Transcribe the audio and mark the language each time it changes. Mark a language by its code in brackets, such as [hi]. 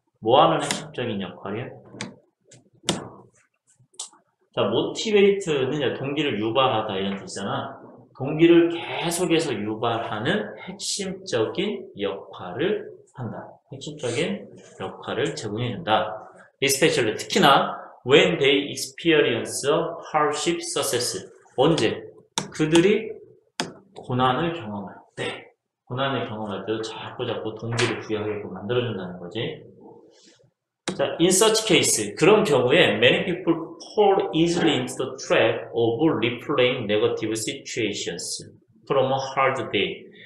[ko] 뭐 하는 핵심적인 역할이야? 자, 모티베이트는 동기를 유발하다 이런 뜻이잖아. 동기를 계속해서 유발하는 핵심적인 역할을 한다. 핵심적인 역할을 제공해준다. [en] Especially, [ko] 특히나 [en] when they experience a hardship success. [ko] 언제? 그들이 고난을 경험할 때. 고난을 경험할 때도 자꾸 동기를 부여하게끔 만들어준다는 거지. [en] 자, in such case, [ko] 그런 경우에 [en] many people fall easily into the trap of replaying negative situations from a hard day.